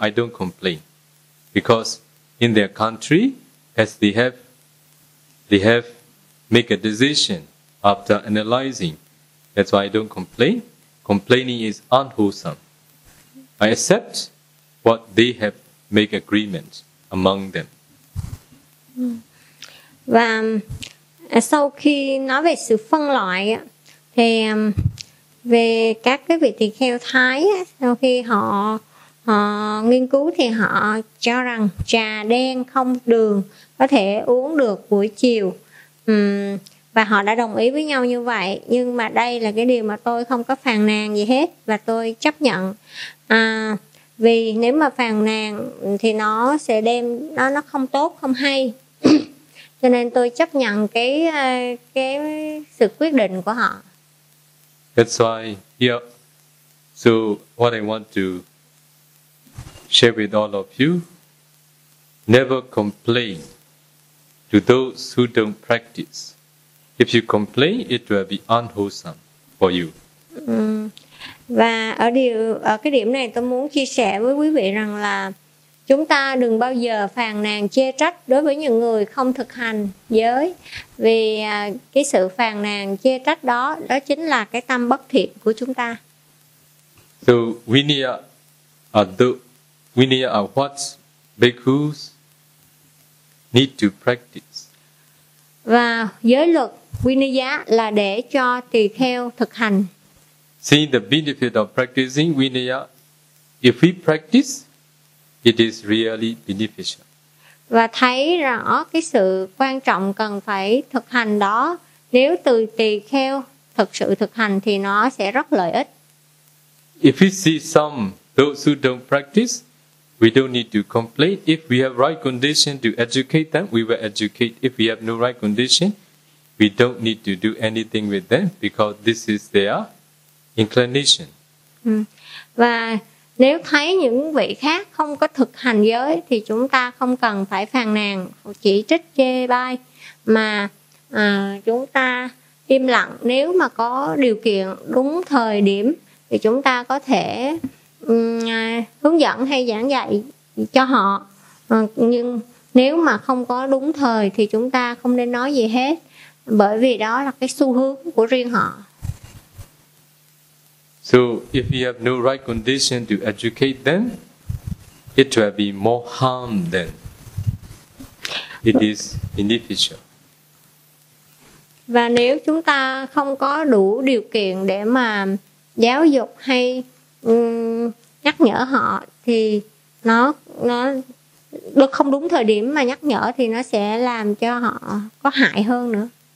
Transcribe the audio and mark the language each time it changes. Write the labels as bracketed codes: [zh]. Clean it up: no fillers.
[en] I don't complain, because in their country, as they have make a decision after analyzing. That's why I don't complain. Complaining is unwholesome. I accept what they have make agreement among them. [vi] Và sau khi nói về sự phân loại thì về các cái vị tỳ kheo Thái sau khi họ nghiên cứu thì họ cho rằng trà đen không đường có thể uống được buổi chiều và họ đã đồng ý với nhau như vậy, nhưng mà đây là cái điều mà tôi không có phàn nàn gì hết và tôi chấp nhận. Vì nếu mà phàn nàn thì nó sẽ đem nó không tốt, không hay. Cho nên tôi chấp nhận cái sự quyết định của họ. [en] That's why, yeah. So what I want to share with all of you, never complain to those who don't practice. If you complain, it will be unwholesome for you. [vi] Và ở cái điểm này tôi muốn chia sẻ với quý vị rằng là chúng ta đừng bao giờ phàn nàn chê trách đối với những người không thực hành giới, vì cái sự phàn nàn chê trách đó chính là cái tâm bất thiện của chúng ta. [en] So Vinaya are what bhikkhus need to practice. [vi] Và giới luật Vinaya là để cho tỳ kheo thực hành. [en] Seeing the benefit of practicing Vinaya, if we practice, it is really beneficial. [vi] Và thấy rõ cái sự quan trọng cần phải thực hành đó, nếu từ tỳ kheo thực sự thực hành thì nó sẽ rất lợi ích. [en] If we see some those who don't practice, we don't need to complain. If we have right condition to educate them, we will educate. If we have no right condition, we don't need to do anything with them, because this is their inclination. [vi] Và nếu thấy những vị khác không có thực hành giới thì chúng ta không cần phải phàn nàn, chỉ trích, chê bai, mà chúng ta im lặng. Nếu mà có điều kiện đúng thời điểm thì chúng ta có thể hướng dẫn hay giảng dạy cho họ. Nhưng nếu mà không có đúng thời thì chúng ta không nên nói gì hết, bởi vì đó là cái xu hướng của riêng họ. [en] So if you have no right condition to educate them, it will be more harm than it is beneficial. [vi] Và nếu chúng ta không có đủ điều kiện để mà giáo dục hay nhắc nhở họ thì nó không đúng thời điểm mà nhắc nhở thì nó sẽ làm cho họ có hại hơn nữa.